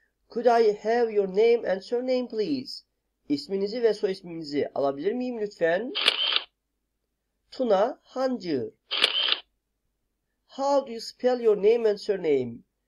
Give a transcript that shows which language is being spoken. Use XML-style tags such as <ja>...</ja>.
<en>Could I have your name and surname please?</en> <tr>İsminizi ve soy isminizi alabilir miyim lütfen? Tuna Hancı.</tr> <en>How do you spell your name and surname?</en>